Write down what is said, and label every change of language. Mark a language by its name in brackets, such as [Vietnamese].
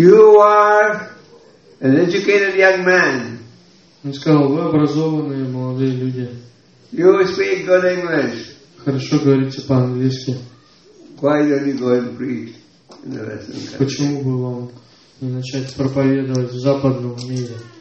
[English] You are an educated young man. [Russian] Он сказал, вы образованные молодые люди. [English] You speak good English. [Russian] Хорошо говорите по-английски. [English] Why don't you go and preach in the Western country? [Russian] Почему бы вам не начать проповедовать в западном мире?